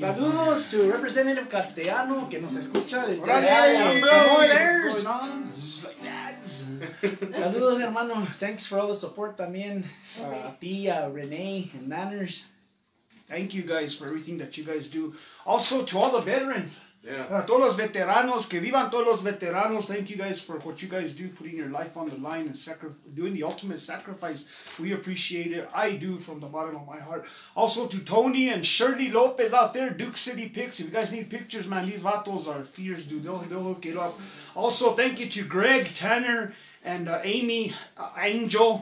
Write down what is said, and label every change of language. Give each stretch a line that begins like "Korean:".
Spanish: Saludos to Representative Castellano, que nos escucha desde allá. Hey,
English: what's going on? Like that.
Spanish: Saludos, hermano.
English: Thanks for all the support,
Spanish: también. A ti,
English: Renee, and Manners. Thank you, guys, for everything that you guys do. Also, to all the veterans. Yeah.
Spanish: Todos los veteranos, que vivan todos los veteranos.
English: Thank you guys for what you guys do, putting your life on the line and doing the ultimate sacrifice. We appreciate it. I do from the bottom of my heart. Also to Tony and Shirley Lopez out there, Duke City Picks. If you guys need pictures, man, these vatos are fierce, dude. They'll hook it up. Also, thank you to Greg, Tanner, and Amy, Angel.